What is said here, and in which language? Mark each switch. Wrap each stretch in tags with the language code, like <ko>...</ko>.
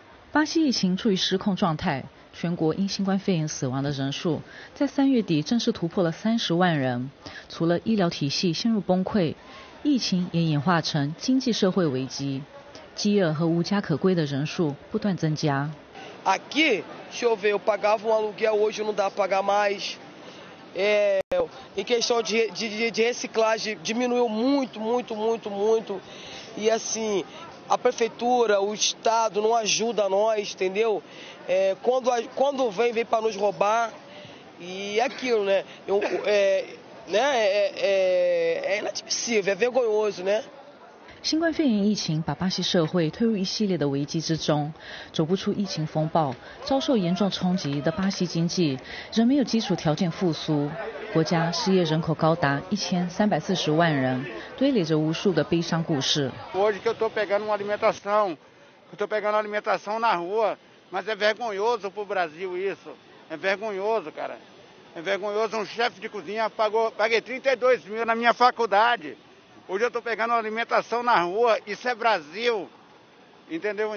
<zh>巴西疫情处于失控状态，全国因新冠肺炎死亡的人数在三月底正式突破了30万人。除了医疗体系陷入崩溃，疫情也演化成经济社会危机，饥饿和无家可归的人数不断增加。</zh> <pt>Aqui, se eu ver, eu pagava um aluguel, hoje não dá para pagar mais. Em questão de reciclagem, diminuiu muito, muito, muito, muito. E assim, a prefeitura, o Estado não ajuda nós, entendeu? Quando vem para nos roubar. E é aquilo, né? É inadmissível, é vergonhoso, né?</pt> <zh>新冠肺炎疫情把巴西社会推入一系列的危机之中，走不出疫情风暴，遭受严重冲击的巴西经济仍没有基础条件复苏，国家失业人口高达1340万人，堆垒着无数的悲伤故事。</zh> <pt>Hoje que eu estou pegando uma alimentação, na rua, mas é vergonhoso pro Brasil isso, é vergonhoso, cara, é vergonhoso. Um chefe de cozinha paguei 32 mil na minha faculdade. Hoje eu estou pegando alimentação na rua, isso é Brasil, entendeu?</pt>